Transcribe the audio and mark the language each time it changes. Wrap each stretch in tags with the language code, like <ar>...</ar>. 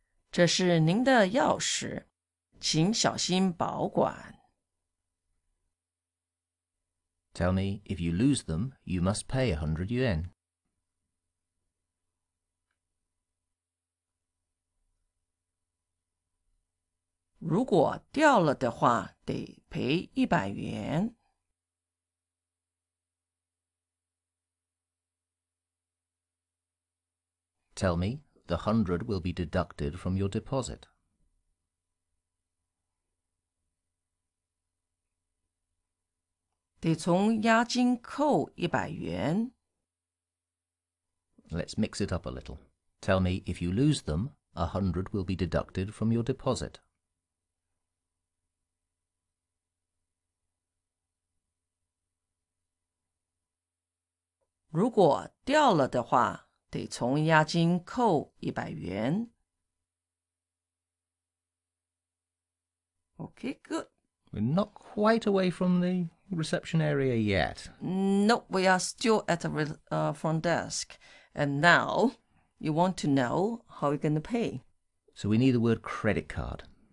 <zh>这是您的钥匙，请小心保管。</zh> <en>Tell me, if you lose them, you must pay 100 yuan.</en> <zh>如果掉了的话，得赔一百元。</zh> <en>Tell me.The 100 will be deducted from your deposit.</en> <zh>得从押金扣100元。</zh> <en>Let's mix it up a little. Tell me, if you lose them, 100 will be deducted from your deposit.</en> <zh>如果掉了的话，得从押金扣100元。</zh> <en>Okay, good. We're not quite away from the reception area yet. Nope, we are still at the front desk. And now, you want to know how you're going to pay. So we need the word credit card.</en>